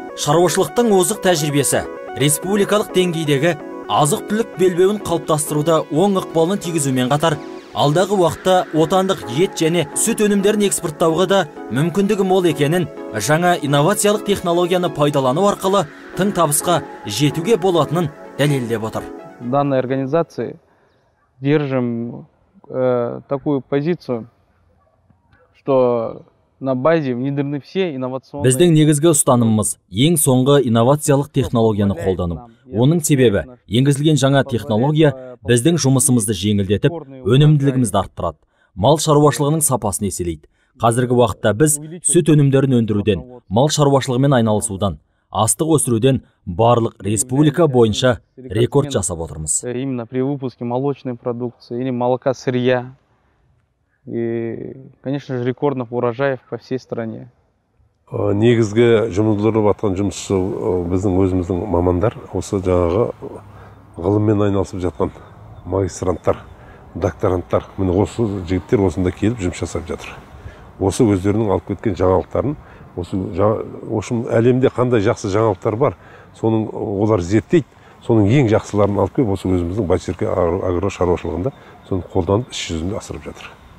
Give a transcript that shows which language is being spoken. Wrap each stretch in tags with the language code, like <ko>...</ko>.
<kk>Шаруашылықтың озық тәжірибесі республикалық деңгейдегі азық-түлік белбеуін қалыптастыруда оң ықпалын тигізумен қатар, алдағы уақытта отандық ет және сүт өнімдерін экспорттауға да мүмкіндігі мол екенін, жаңа инновациялық технологияны пайдалану арқылы тың табысқа жетуге болатынын дәлелдеп отыр.</kk> <ru>Данная организация держим такую позицию, что на базе внедрены все инновационные.</ru> <kk>Біздің негізгі ұстанымымыз ең соңғы инновациялық технологияны қолдану. Оның себебі енгізілген жаңа технология біздің жұмысымызды жеңілдетіп, өнімділігімізді арттырады. Мал шаруашылығының сапасын еселейді. Қазіргі уақытта біз сүт өнімдерін өндіруден, мал шаруашылығымен айналысудан, астық өсіруден барлық республика бойынша рекорд жасап отырмыз.</kk> <ru>Именно при выпуске молочной продукции или молока сырья. И, конечно же, рекордных урожаев по всей стране.</ru> <kk>Негізгі жұмылдырып атқан жұмыс біздің өзіміздің мамандар, осы жаңағы ғылыммен айналысып жатқан магистранттар, докторанттар, міне осы жігіттер осында келіп жұмыс жасап жатыр. Осы өздерінің алып кеткен жаңалықтарын, осы әлемде қандай жақсы жаңалықтар бар, соның олар зерттейді, соның ең жақсыларын алып келіп, осы өзіміздің Байсерке агро шаруашылығында соны қолданып іс жүзінде асырып жатыр.</kk>